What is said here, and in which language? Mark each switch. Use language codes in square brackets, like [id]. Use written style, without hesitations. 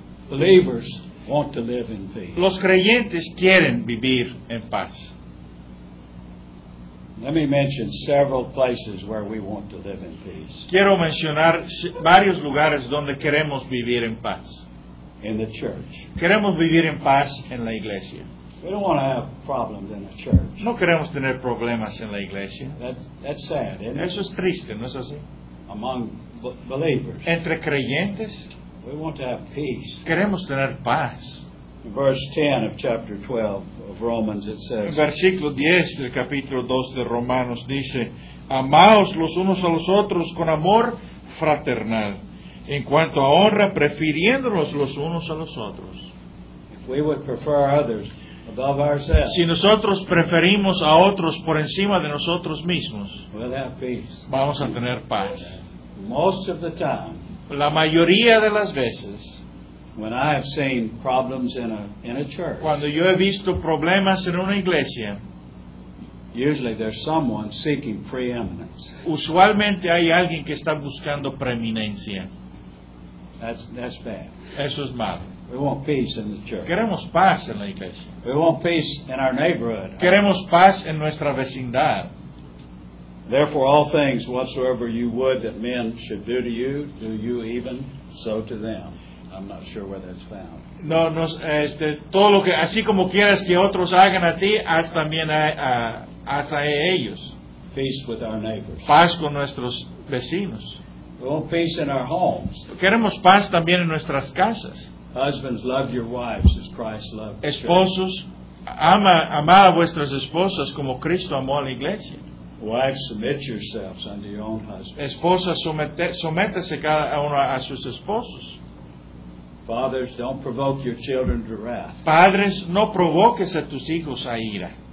[en] Believers want to live in peace. [es] Los creyentes quieren vivir en paz. [en] Let me mention several places where we want to live in peace. [es] Quiero mencionar varios lugares donde queremos vivir en paz. [en] In the church. [es] Queremos vivir en paz en la iglesia. [en] We don't want to have problems in the church. [es] No queremos tener problemas en la iglesia. [en] That's sad, isn't it? [es] Eso es triste, ¿no es así? [en] Among believers. [es] Entre creyentes. [en] We want to have peace. [es] Queremos tener paz. [en] In verse 10 of chapter 12 of Romans it says. [es] En versículo 10 del capítulo 2 de Romanos dice: amaos los unos a los otros con amor fraternal. En cuanto a honra, prefiriéndonos los unos a los otros. [en] If we would prefer others above ourselves, [es] si nosotros preferimos a otros por encima de nosotros mismos, [en] we'll have peace. [es] Vamos a tener paz. [en] Most of the time, [es] la mayoría de las veces, [en] when I have seen problems in a church, [es] cuando yo he visto problemas en una iglesia, [en] usually there's someone seeking preeminence. [es] Usualmente hay alguien que está buscando preeminencia. [en] That's bad. [es] Eso es malo. [en] We want peace in the church. [es] Queremos paz en la iglesia. [en] We want peace in our neighborhood. [es] Queremos paz en nuestra vecindad. [en] Therefore, all things whatsoever you would that men should do to you, do you even so to them. I'm not sure where that's found. [es] No, todo lo que así como quieras que otros hagan a ti, haz también a ellos. [en] Peace with our neighbors. [es] Paz con nuestros vecinos. [en] We want peace in our homes. [es] Queremos paz también en nuestras casas. [en] Husbands, love your wives as Christ loved the [es] esposos, [en] church. [es] Amad a vuestras esposas como Cristo amó a la iglesia. [en] Wives, submit yourselves unto your own husbands. [es] Esposas, sométese cada una a sus esposos. [en] Fathers, don't provoke your children to wrath. [es] Padres, no provoques a tus hijos a ira.